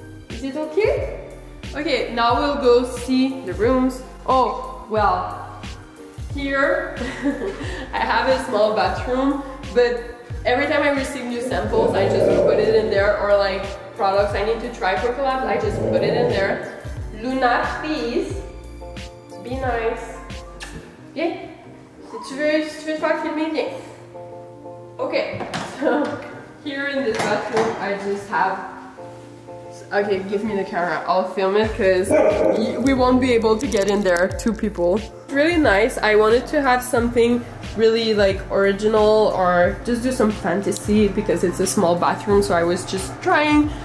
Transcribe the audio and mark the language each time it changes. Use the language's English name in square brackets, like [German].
[English] Is it okay? Okay, now we'll go see the rooms. Oh, well, here I have a small bathroom, but every time I receive new samples, I just put it in there, or like products I need to try for collabs, I just put it in there. Luna, please, be nice. [French] Okay, si tu veux, si tu veux faire filmer, viens. [English] Okay, so here in this bathroom, I just have... Okay, give me the camera, I'll film it because we won't be able to get in there, two people. Really nice, I wanted to have something really like original or just do some fantasy because it's a small bathroom, so I was just trying.